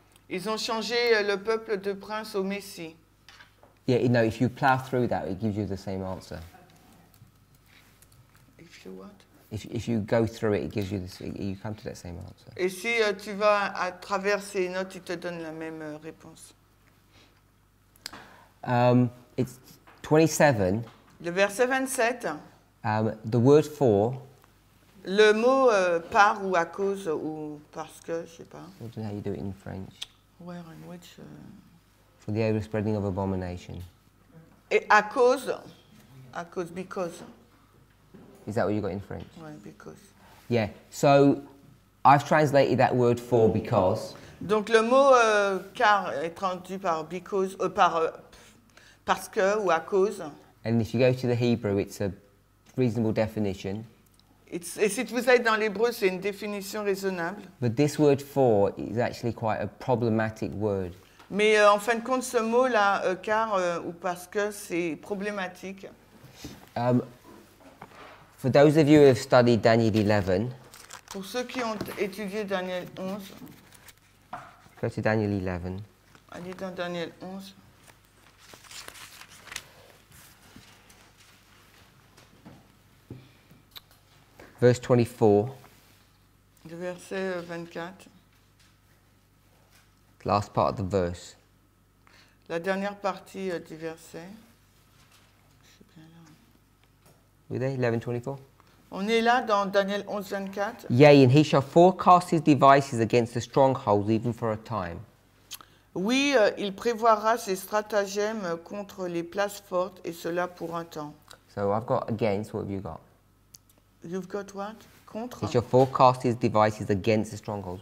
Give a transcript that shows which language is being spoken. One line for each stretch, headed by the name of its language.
French: Ils ont changé le peuple de prince au Messie.
English: Yeah, no, if you plow through that, it gives you the same answer. If you what? If you go through it, it gives you this, you come to that same answer.
French: Et si tu vas à travers ces notes, ils te donnent la même réponse.
English: It's 27.
French: Le verset 27.
English: The word for.
French: Le mot par ou à cause ou parce que, je sais pas.
English: I don't know how you do it in French. Where and which? For the overspreading of abomination.
French: Et à cause. À cause, because.
English: Is that what you got in French?
French: Oui, because.
English: Yeah, so I've translated that word for because.
French: Donc le mot car est traduit par because, parce que ou à cause.
English: And if you go to the Hebrew, it's a reasonable definition.
French: Et si vous êtes dans l'hébreu, c'est une définition raisonnable.
English: But this word for is actually quite a problematic word.
French: Mais en fin de compte, ce mot-là, car ou parce que, c'est problématique.
English: For those of you who have studied Daniel 11.
French: Pour ceux qui ont étudié Daniel 11.
English: Go to Daniel 11.
French: Allez dans Daniel 11.
English: Verse 24. Last part of the verse.
French: La dernière partie du verset.
English: Were they 11:24?
French: On est là dans Daniel 11:24.
English: Yea, and he shall forecast his devices against the strongholds, even for a time.
French: Oui, il prévoira ses stratagèmes contre les places fortes et cela pour un temps.
English: So I've got against. What have you got? You've got what? Contre. He shall forecast his devices against the strongholds.